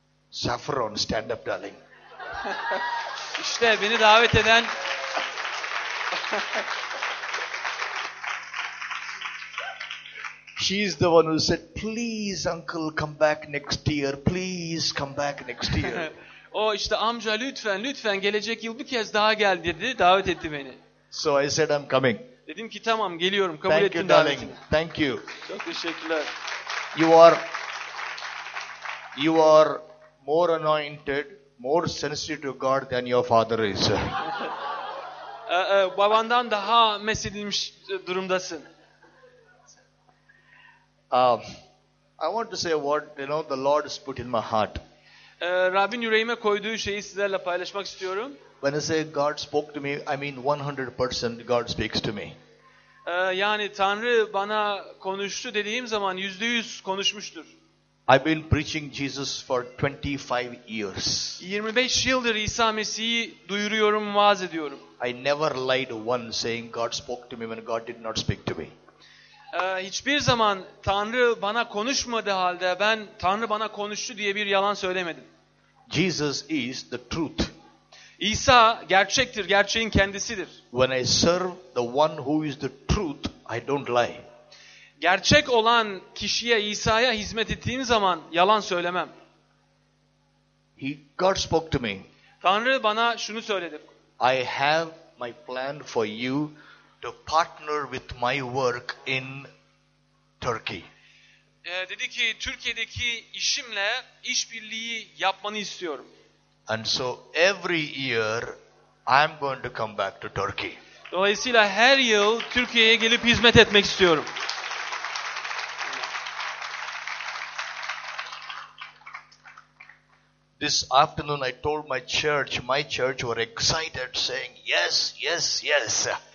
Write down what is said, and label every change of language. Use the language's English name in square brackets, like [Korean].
[English] Saffron, stand up darling. [Turkish] İşte beni davet eden... [English] She's the one who said, "Please, uncle, come back next year. Please come back next year." [Turkish] O işte amca lütfen lütfen gelecek yıl bir kez daha gel dedi, davet etti beni. [English] So I said, "I'm coming." [Turkish] Dedim ki tamam geliyorum, kabul ettim davetini. [English] Thank you, darling. Thank you. [Turkish] Çok teşekkürler. [English] You are more anointed, more sensitive to God than your father is. [Turkish] Babandan daha mesedilmiş durumdasın. [English] I want to say what you know the Lord has put in my heart. [Turkish] Rabbin yüreğime koyduğu şeyi sizlerle paylaşmak istiyorum. [English] When I say God spoke to me, I mean 100% God speaks to me. [Turkish] Yani Tanrı bana konuştu dediğim zaman %100 konuşmuştur. [English] I've been preaching Jesus for 25 years. [Turkish] 25 yıldır İsa Mesih'i duyuruyorum, vaaz ediyorum. [English] I never lied once saying God spoke to me when God did not speak to me. [Turkish] Hiçbir zaman Tanrı bana konuşmadı halde ben Tanrı bana konuştu diye bir yalan söylemedim. [English] Jesus is the truth. [Turkish] İsa gerçektir, gerçeğin kendisidir. [English] When I serve the one who is the truth, I don't lie. [Turkish] Gerçek olan kişiye, İsa'ya hizmet ettiğim zaman yalan söylemem. [English] God spoke to me. [Turkish] Tanrı bana şunu söyledi. [English] I have my plan for you to partner with my work in Turkey. [Turkish] Dedi ki Türkiye'deki işimle işbirliği yapmanı istiyorum. [English] And so every year I'm going to come back to Turkey. [Turkish] Dolayısıyla her yıl Türkiye'ye gelip hizmet etmek istiyorum. [English] This afternoon I told my church were excited saying yes, yes, yes.